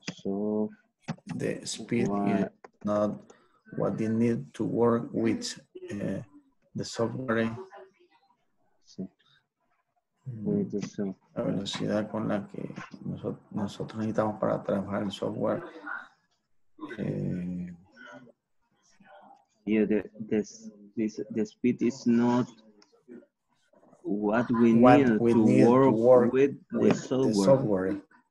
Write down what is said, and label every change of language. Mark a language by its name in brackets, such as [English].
[English] So, the speed is not what you need to work with the software. [Spanish] La velocidad con la que nosotros necesitamos para trabajar el software. [English] The speed is not what we need to work with the software.